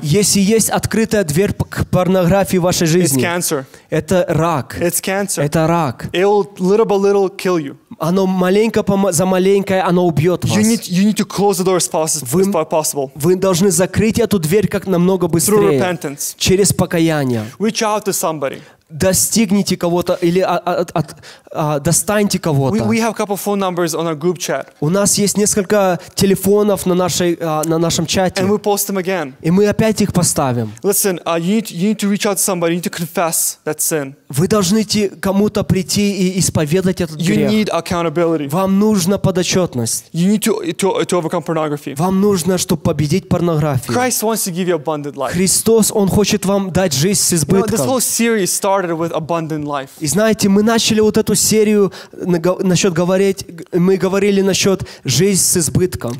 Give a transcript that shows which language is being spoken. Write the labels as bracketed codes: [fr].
[ru] Если есть открытая дверь к порнографии в вашей жизни. [en] It's cancer. [ru] Это рак. [en] It's cancer. [ru] Это рак. [en] It will little by little kill you. [ru] Оно маленько за маленькое оно убьет вас. [en] You need to close the door as possible. [ru] Вы должны закрыть эту дверь как намного быстрее. [en] Through repentance. [ru] Через покаяние. [en] Reach out to somebody. [ru] Достигните кого-то или достаньте кого-то. [en] We have a couple phone numbers on our group chat. [ru] У нас есть несколько телефонов на нашем чате. [en] And we post them again. [ru] И мы опять их поставим. [en] Listen, you need to reach out to somebody. You need to confess that sin. [ru] Вы должны кому-то прийти и исповедать этот [en] you [ru] грех. [en] You need accountability. [ru] Вам нужна подотчетность. [en] You need to overcome pornography. [ru] Вам нужно, чтобы победить порнографию. [en] Christ wants to give you abundant life. [ru] Христос, он хочет вам дать жизнь с избытком. [en] You know, this whole series started with abundant life. [ru] И знаете, мы начали вот эту серию насчет говорить, мы говорили насчет жизнь с избытком.